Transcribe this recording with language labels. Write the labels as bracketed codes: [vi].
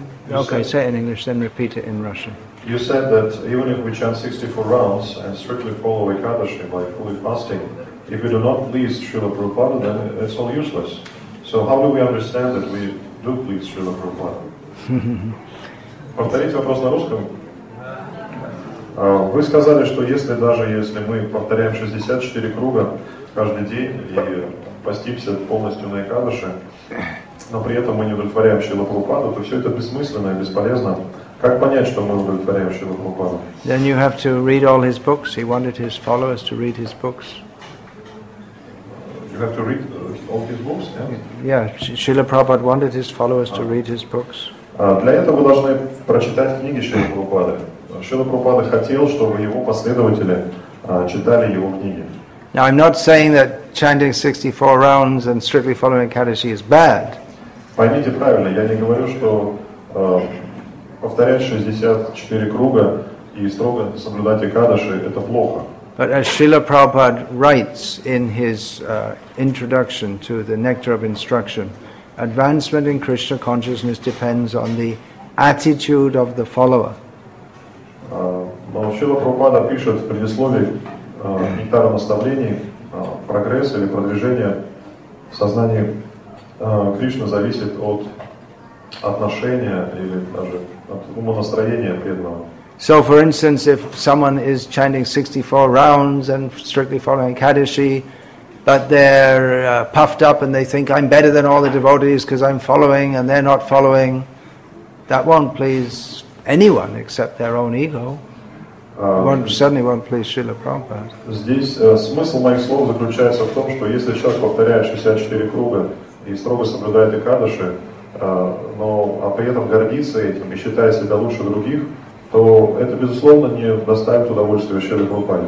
[en] Okay, say it in English, then repeat it in Russian. You said that even if we chant 64 rounds and strictly follow Ekadashi by fully fasting, if we do not please Srila Prabhupada, then it's all useless. So how do we understand that we do please Srila Prabhupada? [ru] Повторите вопрос на русском. Вы сказали, что если даже если мы повторяем 64 круга каждый день и постимся полностью на Экадаши, но при этом мы не удовлетворяем Шрилу Прабхупаду, то все это бессмысленно и бесполезно. Как понять, что мы удовлетворяем Шрилу Прабхупаду? [en] Then you have to read all his books. He wanted his followers to read his books. You have to read all his books? Yeah, Шрила Прабхупада wanted his followers to read his books. [ru] Для этого вы должны прочитать книги Шрилы Прабхупады. Шрила Прабхупада хотел, чтобы его последователи читали его книги. [en] Now I'm not saying that chanting 64 rounds and strictly following Kaddishi is bad. [ru] Поймите правильно, я не говорю, что повторять 64 круга и строго соблюдать Экадаши – это плохо. [en] But as Srila Prabhupada writes in his introduction to the Nectar of Instruction, advancement in Krishna consciousness depends on the attitude of the follower. [ru] Но Шрила Прабхупада пишет в предисловии нектара наставлений, прогресс или продвижение в сознании Кришны зависит от отношения или даже от умонастроения преданного. [en] So, for instance, if someone is chanting 64 rounds and strictly following Kadashi, but they're puffed up and they think, I'm better than all the devotees because I'm following and they're not following, that won't please anyone except their own ego. Certainly won't please Srila Prabhupada. [ru] Здесь смысл моих слов заключается в том, что если человек повторяет 64 круга и строго соблюдает Экадаши, но при этом гордится этим и считает себя лучше других, то это, безусловно, не доставит удовольствия Шриле Прабхупаде.